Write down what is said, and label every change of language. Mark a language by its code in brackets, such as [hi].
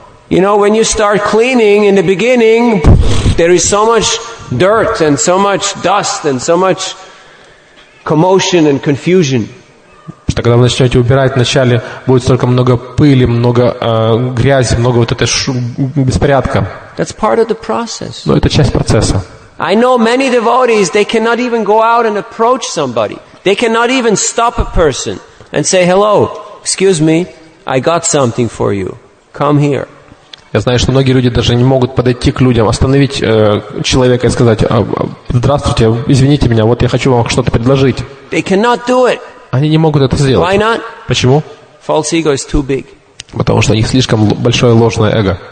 [en] You know, when you start cleaning in the beginning, there is so much dirt and so much dust and so much commotion and confusion. [ru] Что когда вы начнете убирать, вначале будет столько много пыли, много грязи, много вот этой беспорядка. [en] That's part of the process. [ru] Но это часть процесса. [en] I know many devotees, they cannot even go out and approach somebody. They cannot even stop a person and say, hello, excuse me, I got something for you. Come here. [ru] Я знаю, что многие люди даже не могут подойти к людям, остановить человека и сказать, здравствуйте, извините меня, вот я хочу вам что-то предложить. [en] They cannot do it. [ru] Они не могут это сделать. [en] Why not? [ru] Почему? [en] False ego is too big. [ru] Потому что у них слишком большое ложное эго.